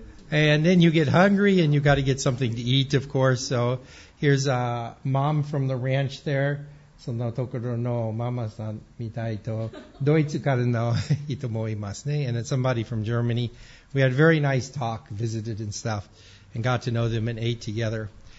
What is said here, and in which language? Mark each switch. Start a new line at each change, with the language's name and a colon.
English: And then you get hungry and you got to get something to eat, of course. So here's a mom from the ranch there.
Japanese: そのところのママさんみたいとドイツからの人もいますね。
English: And it's somebody from Germany. We had a very nice talk, visited and stuff, and got to know them and ate together.